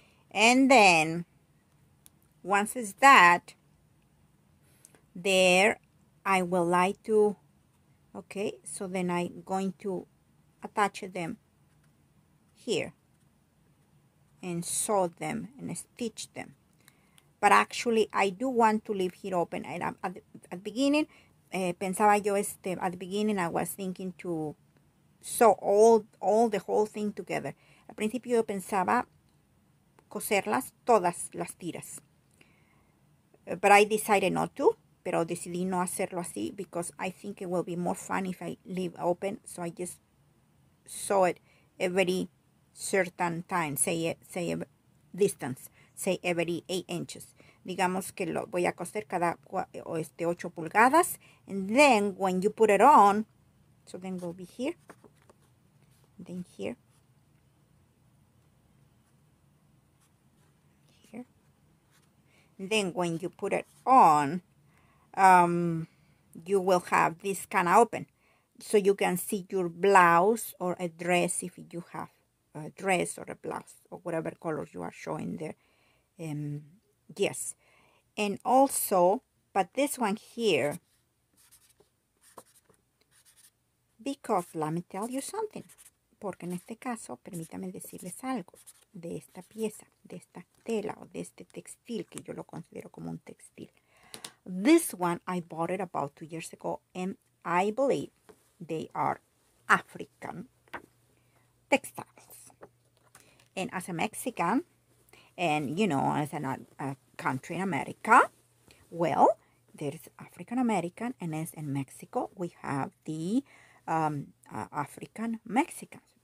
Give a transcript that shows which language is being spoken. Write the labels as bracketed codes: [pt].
[en] And then, once it's that, there, I will like to, okay, so then I'm going to attach them here, and sew them and stitch them. But actually, I do want to leave here open. And at the beginning, [es] pensaba yo [en] at the beginning, I was thinking to sew all the whole thing together. [es] Al principio, yo pensaba coserlas todas las tiras. [en] But I decided not to. [es] Pero decidí no hacerlo así [en] because I think it will be more fun if I leave open. So I just sew it every certain time, say distance, say every 8 inches. [es] Digamos que lo voy a coser cada 8 pulgadas, [en] and then when you put it on, so then we'll be here, then here, here, then when you put it on, you will have this kind of open, so you can see your blouse or a dress if you have a dress or a blouse or whatever color you are showing there. Yes. And also, But this one here, because let me tell you something. [es] Porque en este caso, permítame decirles algo de esta pieza, de esta tela o de este textil, que yo lo considero como un textil. [en] This one, I bought it about 2 years ago, and I believe they are African textiles. And as a Mexican, and you know, as a country in America, well, there's African American, and as in Mexico, we have the African Mexicans.